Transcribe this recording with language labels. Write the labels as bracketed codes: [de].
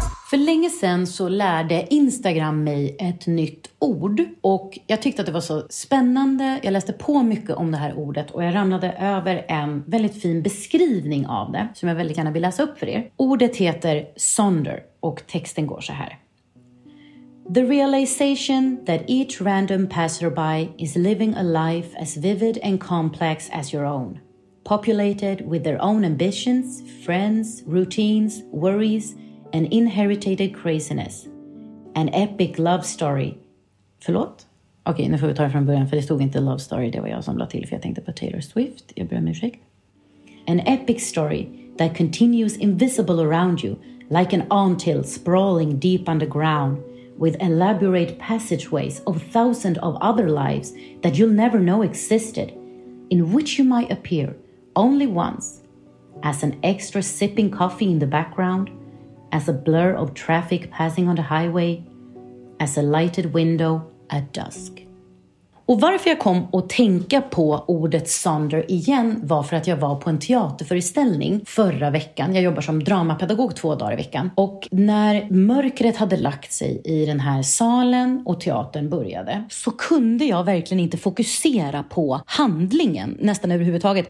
[sv] För länge sedan så lärde Instagram mig ett nytt ord. Och jag tyckte att det var så spännande. Jag läste på mycket om det här ordet. Och jag ramlade över en väldigt fin beskrivning av det. Som jag väldigt gärna vill läsa upp för er. Ordet heter Sonder. Och texten går så här. [en] The realization that each random passerby is living a life as vivid and complex as your own, populated with their own ambitions, friends, routines, worries, and inherited craziness. An epic love story. [sv] Förlåt? Okej, nu får vi ta det från början, för det stod inte love story, det var jag som la till, för jag tänkte på Taylor Swift. Jag ber om ursäkt. [en] An epic story that continues invisible around you, like an ant hill sprawling deep underground, with elaborate passageways of thousands of other lives that you'll never know existed, in which you might appear only once, as an extra sipping coffee in the background, as a blur of traffic passing on the highway, as a lighted window at dusk. [sv] Och varför jag kom att tänka på ordet Sonder igen var för att jag var på en teaterföreställning förra veckan. Jag jobbar som dramapedagog 2 dagar i veckan. Och när mörkret hade lagt sig i den här salen och teatern började så kunde jag verkligen inte fokusera på handlingen nästan överhuvudtaget.